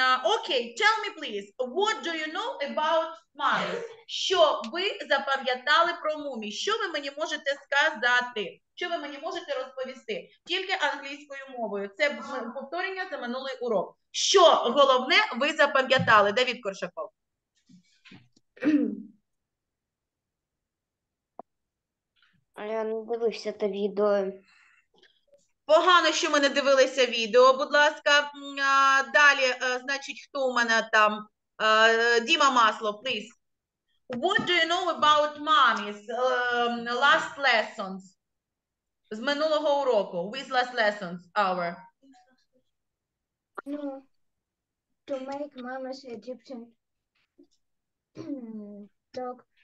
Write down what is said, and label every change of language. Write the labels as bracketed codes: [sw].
[en] Окей, tell me please, what do you know about mummy? [uk] Що ви запам'ятали про мумі? Що ви мені можете сказати? Що ви мені можете розповісти? Тільки англійською мовою. Це повторення за минулий урок. Що головне ви запам'ятали? Давид Коршаков. Я не дивився це відео. Погано, що ми не дивилися відео, будь ласка. Далі, значить, хто у мене там? Діма Масло, [en] please. What do you know about mommy's last lessons? [uk] З минулого уроку. [en] With last lessons, our. No. To make mama's Egyptian dog.